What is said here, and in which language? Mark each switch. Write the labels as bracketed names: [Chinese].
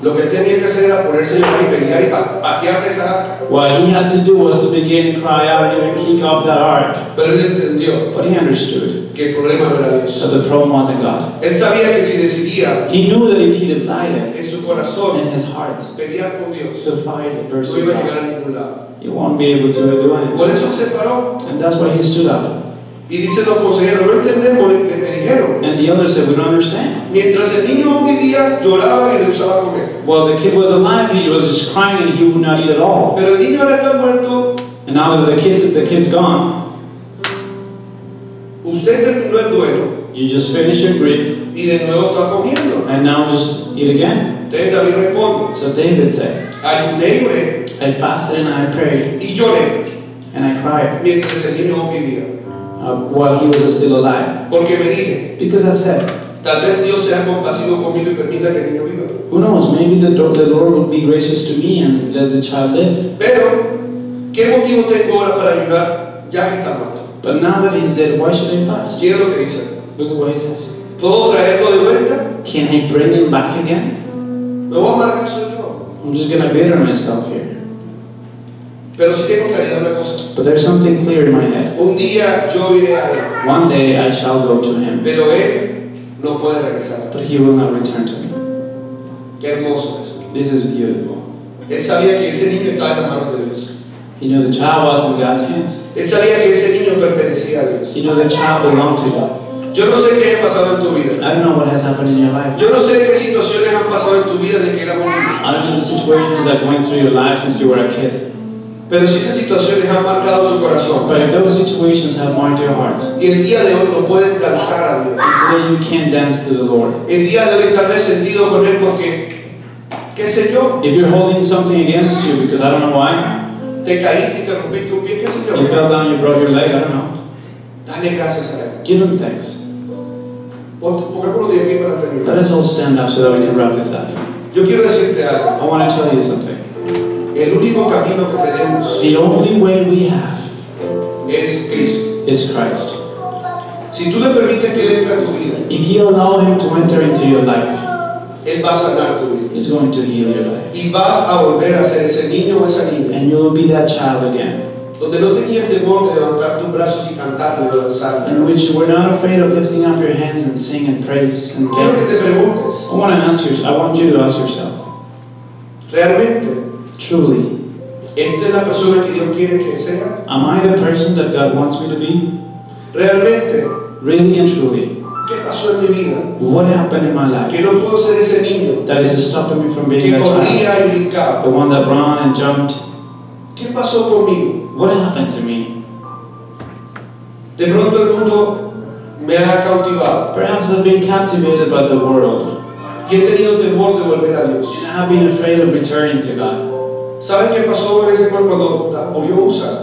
[Spanish] Lo que tenía que hacer era ponerse a llorar y pelear y patear esa arca. [English] What he had to do was to begin to cry out and even kick off that ark. [Spanish] Pero él entendió. [English] But he understood. [Spanish] Que el problema no era Dios. [English] That the problem wasn't God. [Spanish] Él sabía que si decidía. [English] He knew that if he decided. [Spanish] En su corazón. [English] In his heart. [Spanish] Pelear con Dios. [English] To fight versus [Spanish] God. No iba a llegar a ningún lado. [English] He won't be able to do anything. [Spanish] Por eso se paró. [English] And that's why he stood up. [Spanish] Y dice los consejeros, no entendemos lo que me dijeron. [English] And the others said, we don't understand. [Spanish] Mientras el niño vivía, lloraba y rehusaba comer. [English] Well, the kid was alive, he was just crying and he would not eat at all. [Spanish] Pero el niño ahora está muerto. [English] And now that the kid's gone. [Spanish] Usted terminó el duelo. [English] You just finished your grief. [Spanish] Y de nuevo está comiendo. [English] And now just eat again. [Spanish] Entonces David responde. [English] So David said, [Spanish] ayuné y oré. [English] I fasted and I prayed. [Spanish] Y lloré. [English] And I cried. [Spanish] Mientras el niño vivía. [English] While he was still alive. [Spanish] Porque me dije. [English] Because I said. [Spanish] Tal vez Dios sea compasivo conmigo y permita que el niño viva. [English] Who knows? Maybe the Lord will be gracious to me and let the child live. [Spanish] Pero, ¿qué motivo tengo ahora para ayudar ya que está muerto? [English] But now that he's dead, why should I fast? [Spanish] ¿Quiere lo que dice? [English] Look at what he says. [Spanish] ¿Puedo traerlo de vuelta? [English] Can I bring him back again? [Spanish] Me voy a marcar solo. [English] I'm just gonna better myself here. [Spanish] Pero si tengo claridad una cosa. [English] But there's something clear in my head. [Spanish] Un día yo iré a él. [English] One day I shall go to him. [Spanish] Pero él no puede regresar. [English] But he will not return to me. [Spanish] Qué hermoso es. [English] This is beautiful. [Spanish] Él sabía que ese niño estaba en las manos de Dios. [English] He knew the child was in God's hands. [Spanish] Él sabía que ese niño pertenecía a Dios. [English] He knew the child belonged to God. [Spanish] Yo no sé qué ha pasado en tu vida. [English] I don't know what has happened in your life. [Spanish] Yo no sé qué situaciones han pasado en tu vida desde que era un niño. [English] I don't know the situations that went through your life since you were a kid. [Spanish] Pero si esas situaciones han marcado tu corazón. [English] But if those situations have marked your heart. [Spanish] Y el día de hoy no puedes danzar a Dios. [English] And today you can't dance to the Lord. [Spanish] El día de hoy tal vez sentido con él porque, qué sé yo. [English] If you're holding something against you because I don't know why. [Spanish] Te caíste y te rompiste un pie, qué sé yo. [English] You fell down, you broke your leg, I don't know. [Spanish] Dale gracias a él. [English] Give him thanks. [Spanish] Pongámonos de pie para terminar. [English] Let us all stand up so that we can wrap this up. [Spanish] Yo quiero decirte algo. [English] I want to tell you something. [Spanish] El único camino que tenemos, [English] the only way we have, [Spanish] es Cristo. [English] Is Christ. [Spanish] Si tú le permites que entre a tu vida, [English] if you allow him to enter into your life, [Spanish] Él va a sanar tu vida. [English] He's going to heal your life. [Spanish] Y vas a volver a ser ese niño o esa niña. [English] And you will be that child again. [Spanish] Donde no tenías temor de levantar tus brazos y cantarlo y danzarlo. [English] In which you were not afraid of lifting up your hands and sing and praise and [Spanish] dance. Quiero que te preguntes. [English] I want you to ask yourself. [Spanish] Realmente. [English] Truly. [Spanish] ¿Esta es la persona que Dios quiere que sea? [English] Am I the person that God wants me to be? [Spanish] Realmente. [English] Really and truly. [Spanish] ¿Qué pasó en mi vida? [English] What happened in my life? [Spanish] Que no pudo ser ese niño. [English] That is stopping me from being [Spanish] que [English] that child. [Spanish] Que corría y brincaba. [English] The one that ran and jumped. [Spanish] ¿Qué pasó conmigo? [English] What happened to me? [Spanish] De pronto el mundo me ha cautivado. [English] Perhaps I've been captivated by the world. [Spanish] Y he tenido temor de volver a Dios. [English] And I've been afraid of returning to God. [Spanish] ¿Saben qué pasó en ese cuerpo cuando murió Uzza?